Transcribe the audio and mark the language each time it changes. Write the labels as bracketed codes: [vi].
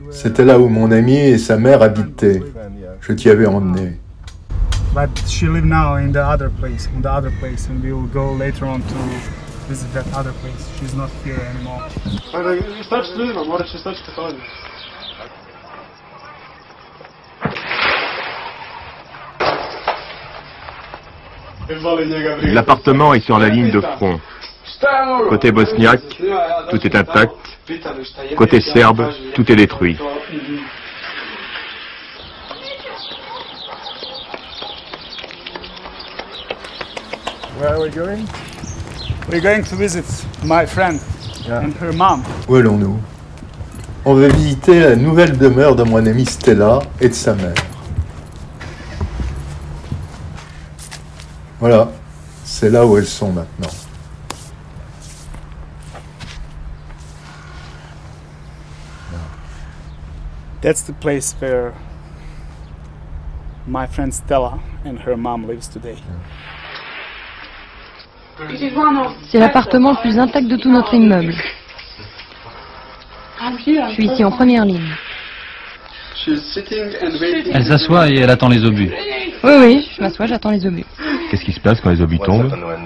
[fr] C'était là où mon ami et sa mère habitaient. Je t'y avais emmené. [en] But she lives now in the other place, in the other place, and we will go later on to visit that other place. She's not here anymore. [fr] L'appartement est sur la ligne de front. Côté bosniaque, tout est intact. Côté serbe, tout est détruit. [en] Where are we going? We're going to visit my friend and her mom. [fr] Où allons-nous? On va visiter la nouvelle demeure de mon amie Stella et de sa mère. Voilà, c'est là où elles sont maintenant. [en] That's the place where my friend Stella and her mom lives today. [fr] C'est l'appartement le plus intact de tout notre immeuble. Je suis ici en première ligne. Elle s'assoit et elle attend les obus. Oui, oui, je m'assois, j'attends les obus. Qu'est-ce qui se passe quand les obus tombent?